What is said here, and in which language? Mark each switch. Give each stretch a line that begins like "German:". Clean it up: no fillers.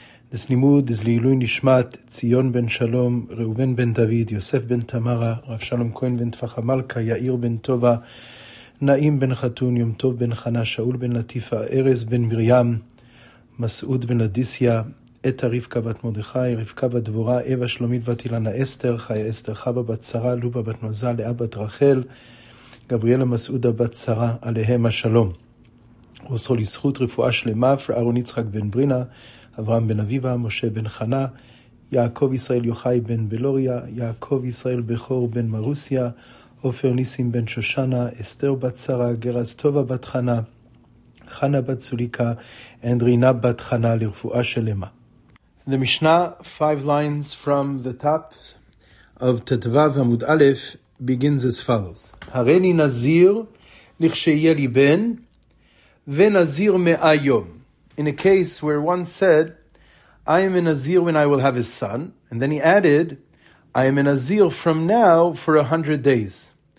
English: This limud is Li'ilui Nishmat, Tzion ben Shalom, Reuven ben David, Yosef ben Tamara, Rav Shalom Cohen ben Tfach Amalka, Yair ben Tova, Naim ben Chatun, Yom Tov ben Chana, Shaul ben Latifa, Erez ben Miriam, Mas'ud ben Adisya, אתה רבקה בת מרדכי, רבקה בת דבורה, אבא שלומית בת אילנה אסתר, חיה אסתר, חבא בת שרה, לובה בת מזל, לאה בת רחל, גבריאלה מסעודה בת שרה,
Hebrew: עליהם השלום. רוסו לזכות רפואה שלמה, פרארון יצחק בן ברינה, אברהם בן אביבה, משה בן חנה, יעקב ישראל יוחאי בן בלוריה, יעקב ישראל בכור בן מרוסיה, עופר ניסים בן שושנה, אסתר בת שרה, גרז טובה בת חנה, חנה בת סוליקה, אנדרינה בת חנה, לרפואה שלמה.
English: The Mishnah, five lines from the top of Tetvav Amud Aleph, begins as follows.
Hebrew: Hareni nazir lichsheye li ben, ve nazir me'ayom.
English: In a case where one said, I am a nazir when I will have a son, and then he added, I am a nazir from now for 100 days.